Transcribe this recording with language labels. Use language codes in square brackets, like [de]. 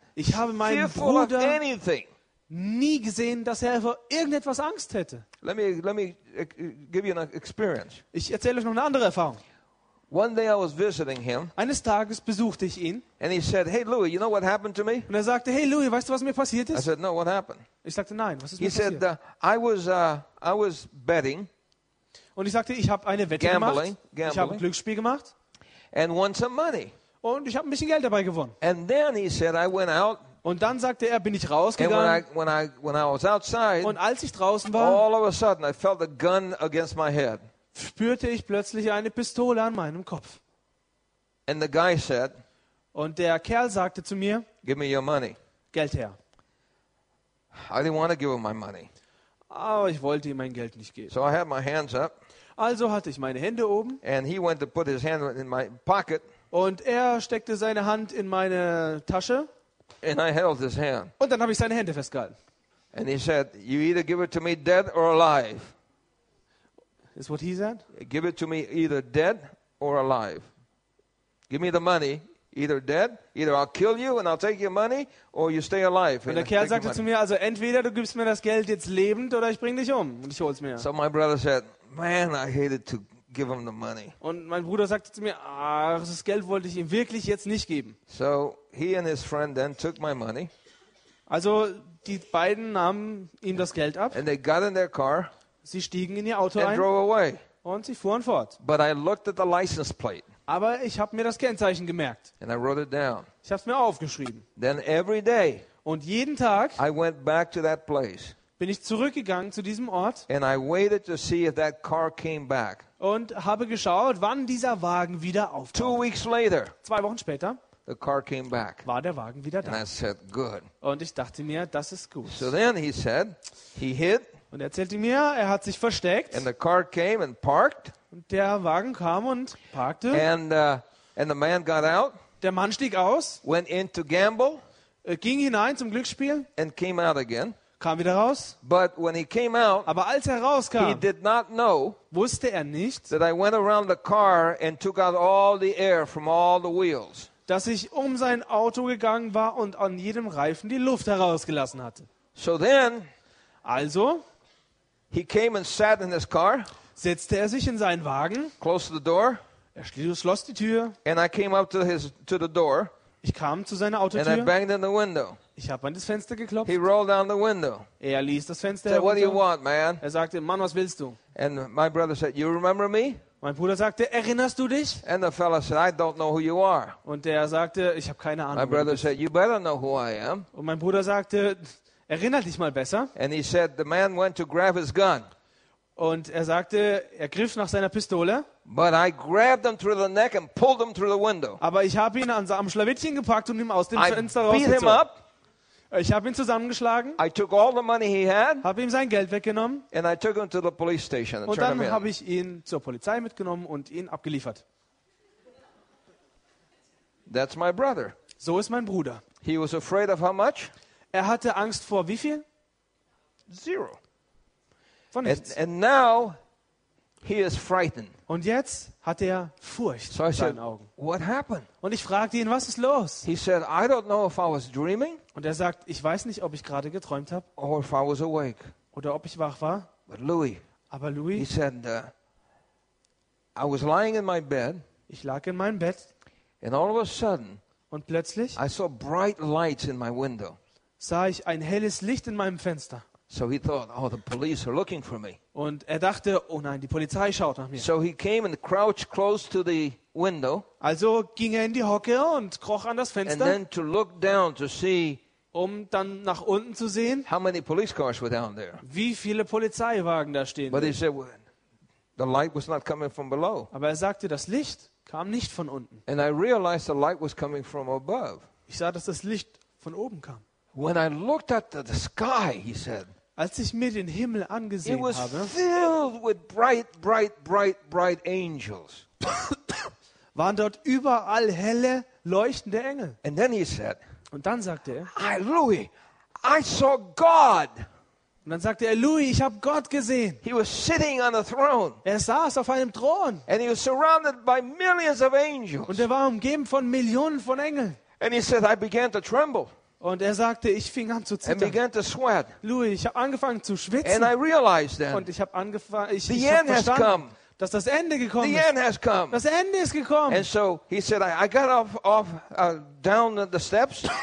[de] Ich habe meinen Bruder nie gesehen, dass er vor irgendetwas Angst hätte. [en] Let me give you an experience. [de] Ich erzähle euch noch eine andere Erfahrung. [en] One day I was visiting him. [de] Eines Tages besuchte ich ihn. [en] And he said, "Hey Louis, you know what happened to me?" [de] Und er sagte, "Hey Louis, weißt du, was mir passiert ist?" [en] I said, "No, what happened?" [de] Ich sagte, "Nein, was ist [en] he [de] mir passiert?" [en] He said, "I was betting." [de] Und ich sagte, ich habe eine Wette [en] gambling, [de] gemacht. [en] Gambling. [de] Ich habe ein Glücksspiel gemacht. [en] And won some money. [de] Und ich habe ein bisschen Geld dabei gewonnen. [en] And then he said, "I went out." [de] Und dann sagte er, bin ich rausgegangen. [en] And when I was outside, [de] und als ich draußen war, [en] all of a sudden I felt a gun against my head. [de] Spürte ich plötzlich eine Pistole an meinem Kopf. [en] And the guy said, [de] und der Kerl sagte zu mir, [en] "Give me your money." [de] Geld her. [en] I didn't want to give him my money. [de] Aber ich wollte ihm mein Geld nicht geben. [en] So I had my hands up. [de] Also hatte ich meine Hände oben. [en] And he went to put his hand in my pocket. [de] Und er steckte seine Hand in meine Tasche. [en] And I held his hand. [de] Und dann habe ich seine Hände festgehalten. [en] And he said, "You either give it to me dead or alive." Is what he said? "Give it to me either dead or alive. Give me the money, either dead, either I'll kill you and I'll take your money, or you stay alive." [de] Und der Kerl sagte zu mir, also entweder du gibst mir das Geld jetzt lebend oder ich bring dich um und ich hol's mir. [en] So my brother said, "Man, I hated to give him the money." [de] Und mein Bruder sagte zu mir, ach, das Geld wollte ich ihm wirklich jetzt nicht geben. [en] So he and his friend then took my money. [de] Also die beiden nahmen ihm das Geld ab. [en] And they got in their car. [de] Sie stiegen in ihr Auto [en] and [de] ein [en] away. [de] Und sie fuhren fort. [en] But I looked at the license plate. [de] Aber ich habe mir das Kennzeichen gemerkt. [en] And I wrote it down. [de] Ich habe es mir aufgeschrieben. [en] Then every day, [de] und jeden Tag [en] I went back to that place. [de] Bin ich zurückgegangen zu diesem Ort [en] and I waited to see if that car came back. [de] Und habe geschaut, wann dieser Wagen wieder auftaucht. [en] 2 weeks later, [de] 2 Wochen später [en] the car came back. [de] War der Wagen wieder da. [en] And I said, good. [de] Und ich dachte mir, das ist gut. [en] So then he said, he hid. [de] Und er erzählte mir, er hat sich versteckt. [en] And the car came and parked. [de] Und der Wagen kam und parkte. [en] And the man got out. [de] Der Mann stieg aus. [en] Went in to gamble. [de] Ging hinein zum Glücksspiel. [en] And came out again. [de] Kam wieder raus. [en] But when he came out, [de] aber als er rauskam, [en] he did not know, [de] wusste er nicht, [en] that I went around the car and took out all the air from all the wheels, [de] dass ich um sein Auto gegangen war und an jedem Reifen die Luft herausgelassen hatte. [en] So then, [de] also, [en] he came and sat in his car, [de] setzte er sich in seinen Wagen, [en] closed the door, [de] er schloss die Tür, [en] and I came up to his to the door, [de] ich kam zu seiner Autotür, [en] and I banged on the window. [de] Ich habe an das Fenster geklopft. [en] He rolled down the window. [de] Er ließ das Fenster herunter. [en] What do you want, man? [de] Er sagte, Mann, was willst du? [en] And my brother said, you remember me? [de] Mein Bruder sagte, erinnerst du dich? [en] And the fella said, I don't know who you are. [de] Und er sagte, ich habe keine Ahnung. [en] My brother said, you better know who I am. [de] Und mein Bruder sagte, erinnere dich mal besser. [en] And he said, the man went to grab his gun. [de] Und er sagte, er griff nach seiner Pistole. [en] But I grabbed him through the neck and pulled him through the window. [de] Aber ich habe ihn am Schlawittchen gepackt und ihn aus dem Fenster rausgezogen. [en] Beat him up. [de] Ich habe ihn zusammengeschlagen. [en] I took all the money he had. [de] Habe ihm sein Geld weggenommen. [en] And I took him to the police station. [de] Und dann habe ich ihn zur Polizei mitgenommen und ihn abgeliefert. [en] That's my brother. [de] So ist mein Bruder. [en] He was afraid of how much? [de] Er hatte Angst vor wie viel? [en] Zero. [de] Von nichts. [en] And now he is frightened. [de] Und jetzt hat er Furcht in seinen Augen. [en] What happened? [de] Und ich fragte ihn, was ist los? [en] He said, I don't know if I was dreaming. [de] Und er sagt, ich weiß nicht, ob ich gerade geträumt habe. [en] Or if I was awake. [de] Oder ob ich wach war. [en] But Louis. [de] Aber Louis. [en] He said, I was lying in my bed. [de] Ich lag in meinem Bett. [en] And all of a sudden. [de] Und plötzlich. [en] I saw bright lights in my window. [de] Sah ich ein helles Licht in meinem Fenster. [en] So he thought, oh, the police are looking for me. [de] Und er dachte, oh nein, die Polizei schaut nach mir. [en] So he came and crouched close to the window. [de] Also ging er in die Hocke und kroch an das Fenster. [en] And then to look down to see, [de] um dann nach unten zu sehen, [en] how many police cars were down there. [de] Wie viele Polizeiwagen da stehen. [en] But he said, well, the light was not coming from below. [de] Aber er sagte, das Licht kam nicht von unten. [en] And I realized the light was coming from above. [de] Ich sah, dass das Licht von oben kam. [en] When I looked at the sky, he said, [de] als ich mir den Himmel angesehen habe, [en] it was filled with bright angels. [de] Waren dort überall helle, leuchtende Engel. [en] And then he said, [de] und dann sagte er, [en] I, Louis, I saw God. [de] Und dann sagte er, Louis, ich habe Gott gesehen. [en] He was sitting on a throne. [de] Er saß auf einem Thron. [en] And he was surrounded by millions of angels. [de] Und er war umgeben von Millionen von Engeln. [en] And he said, I began to tremble. [de] Und er sagte, ich fing an zu zittern. [en] And began to sweat. [de] Louis, ich habe angefangen zu schwitzen. [en] And I realized then, [de] und ich habe angefangen, ich habe verstanden, dass das Ende gekommen [en] the [de] ist. [en] End has come. [de] Das Ende ist gekommen. [en] And so he said, I got down the steps.